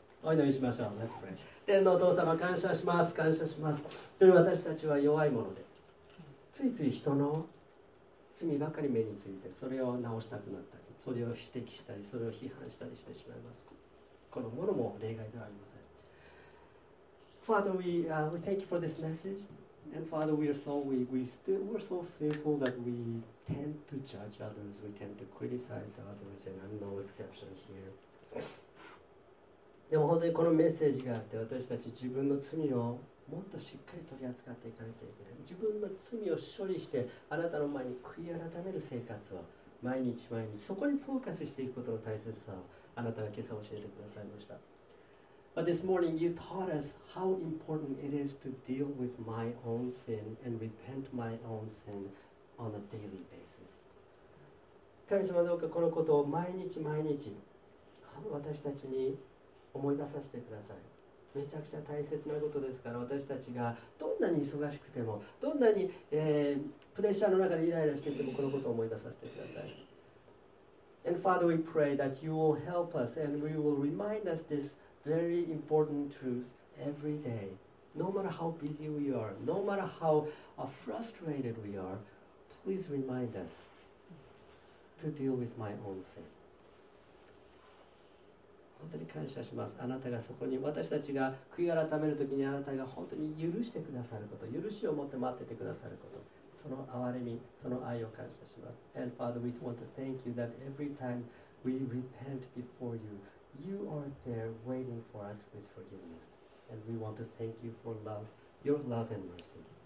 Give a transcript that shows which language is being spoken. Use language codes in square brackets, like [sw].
[ja] お祈りしましょう。 [en] Let's pray. [ja] 天のお父様、感謝します。感謝します。私たちは弱いもので、ついつい人の罪ばかり目について、それを直したくなったり、それを指摘したり、それを批判したりしてしまいます。このものも例外ではありません。 [en] Father, we thank you for this message. And Father, we are so weak. We're so sinful that we tend to judge others. We tend to criticize others. And I'm no exception here. [ja] でも本当にこのメッセージがあって、私たち自分の罪をもっとしっかり取り扱っていかなきゃいけない。自分の罪を処理して、あなたの前に悔い改める生活を毎日毎日そこにフォーカスしていくことの大切さをあなたが今朝教えてくださいました。 [en] But this morning you taught us how important it is to deal with my own sin and repent my own sin on a daily basis. [ja] 神様どうかこのことを毎日毎日私たちに思い出させてください。めちゃくちゃ大切なことですから、私たちがどんなに忙しくても、どんなに、プレッシャーの中でイライラしていても、このことを思い出させてください。 [en] And Father, we pray that you will help us and we will remind us this very important truth every day. No matter how busy we are, no matter how frustrated we are, please remind us to deal with my own sin. [ja] 本当に感謝します。あなたがそこに、私たちが悔い改めるときにあなたが本当に許してくださること、許しを持って待っててくださること、その憐れみ、その愛を感謝します。 [en] And Father, we want to thank you that every time we repent before you, you are there waiting for us with forgiveness. And we want to thank you for love, your love and mercy.